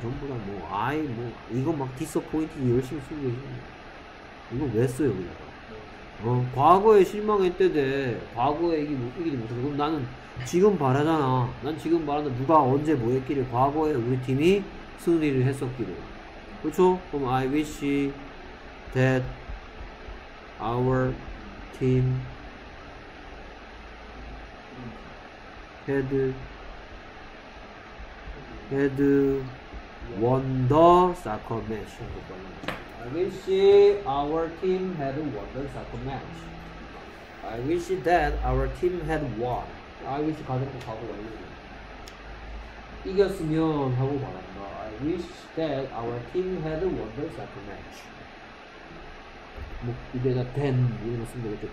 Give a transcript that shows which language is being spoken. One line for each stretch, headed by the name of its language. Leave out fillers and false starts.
Korean: 전부 다 뭐 아이 뭐 이거 막 디서포인트 열심히 쓰고 있는 거. 이거 왜 써요 여기다가. 어, 과거에 실망했대대. 과거에 이기지 못해. 그럼 나는 지금 바라잖아. 난 지금 바란다. 누가 언제 뭐 했기를. 과거에 우리 팀이 승리를 했었기를. 그렇죠?
English: 그럼 I wish that our team had won the soccer match. I wish our team had won the soccer match. I wish that our team had won. I wish
Korean: 가정부 과거 완료. 이겼으면 하고 바란다.
English: I wish that our team had won the soccer match.
Korean: 뭐 이래가 된 이런 거 쓰면 되겠죠.